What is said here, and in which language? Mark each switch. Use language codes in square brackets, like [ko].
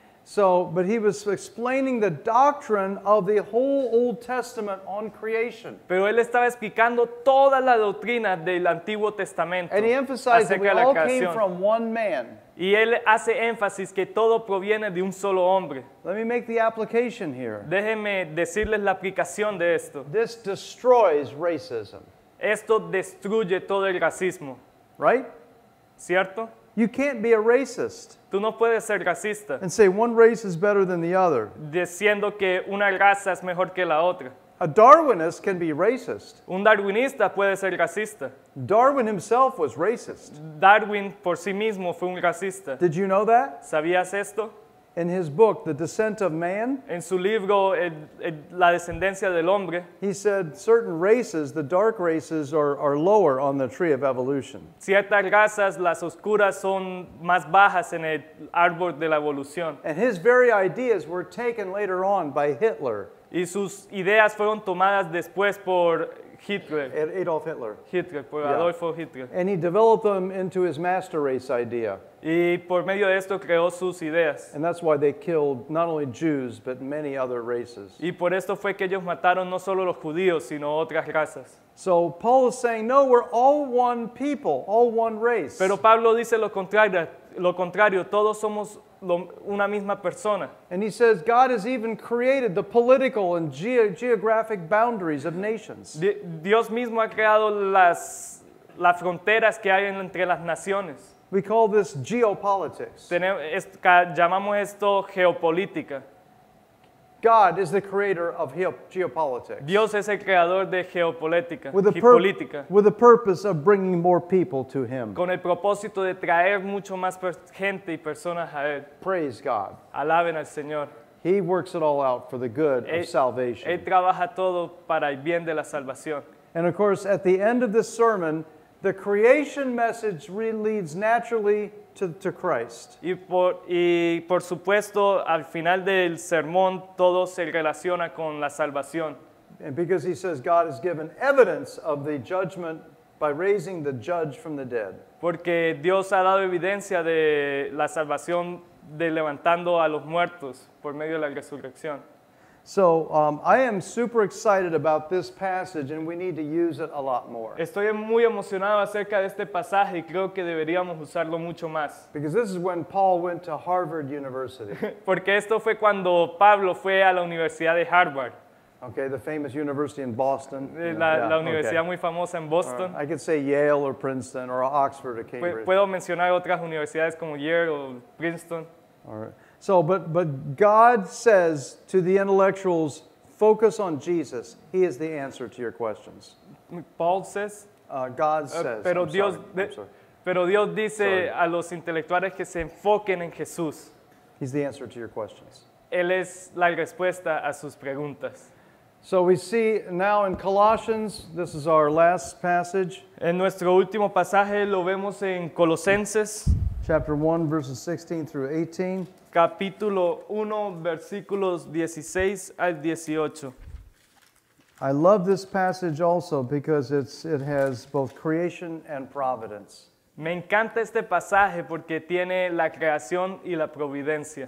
[en] So, but he was explaining the doctrine of the whole Old Testament on creation. [es] Pero él estaba explicando toda la doctrina del Antiguo Testamento. [en] And he emphasized that we all came from one man. [es] Y él hace énfasis que todo proviene de un solo hombre. [en] Let me make the application here. [es] Déjeme decirles la aplicación de esto. [en] This destroys racism. [es] Esto destruye todo el racismo. [en] Right? [es] ¿Cierto? [en] You can't be a racist. [es] Tú no puedes ser racista. [en] And say one race is better than the other. [es] Diciendo que una raza es mejor que la otra. [en] A Darwinist can be racist. [es] Un darwinista puede ser racista. [en] Darwin himself was racist. [es] Darwin por sí mismo fue un racista. [en] Did you know that? [es] ¿Sabías esto? [en] In his book, The Descent of Man, [es] en su libro, La Descendencia del Hombre, [en] he said certain races, the dark races, are lower on the tree of evolution. [es] Ciertas razas, las oscuras, son más bajas en el árbol de la evolución. [en] And his very ideas were taken later on by Hitler. [es] Y sus ideas fueron tomadas después por Hitler. [en] Adolf Hitler. [es] Hitler, por Adolfo Hitler. [en] And he developed them into his master race idea. [es] Y por medio de esto creó sus ideas. [en] And that's why they killed not only Jews, but many other races. [es] Y por esto fue que ellos mataron no solo los judíos, sino otras razas. [en] So Paul is saying, no, we're all one people, all one race. [es] Pero Pablo dice lo contrario, todos somos una misma persona. [en] And he says God has even created the political and geographic boundaries of nations. [es] Dios mismo ha creado las fronteras que hay entre las naciones. [en] We call this geopolitics. [es] Llamamos esto geopolítica. [en] God is the creator of geopolitics. [es] Dios es el creador de geopolítica. With [en] the purpose of bringing more people to Him. [es] Con el propósito de traer mucho más gente y personas a él. [en] Praise God. [es] Alaben al Señor. [en] He works it all out for the good of salvation. [es] Él trabaja todo para el bien de la salvación. [en] And of course, at the end of this sermon, the creation message leads naturally to Christ. [es] Y por supuesto, al final del sermón, todo se relaciona con la salvación. [en] And because he says God has given evidence of the judgment by raising the judge from the dead. [es] Porque Dios ha dado evidencia de la salvación de levantando a los muertos por medio de la resurrección. [en] So I am super excited about this passage, and we need to use it a lot more. [es] Estoy muy emocionado acerca de este pasaje, y creo que deberíamos usarlo mucho más. [en] Because this is when Paul went to Harvard University. [es] Porque esto fue cuando Pablo fue a la Universidad de Harvard. [en] Okay, the famous university in Boston. [es] La universidad muy famosa en Boston. [en] I could say Yale or Princeton or Oxford or Cambridge. [es] Puedo mencionar otras universidades como Yale o Princeton. [en] All right. So, but God says to the intellectuals, focus on Jesus. He is the answer to your questions. Paul says? God says. [es] Pero Dios dice a los intelectuales que se enfoquen en Jesús. [en] He's the answer to your questions. [es] Él es la respuesta a sus preguntas. [en] So we see now in Colossians, this is our last passage. [es] En nuestro último pasaje lo vemos en Colosenses. [en] Chapter 1, verses 16 through 18. [es] Capítulo 1, versículos 16 al 18. [en] I love this passage also because it has both creation and providence. [es] Me encanta este pasaje porque tiene la creación y la providencia.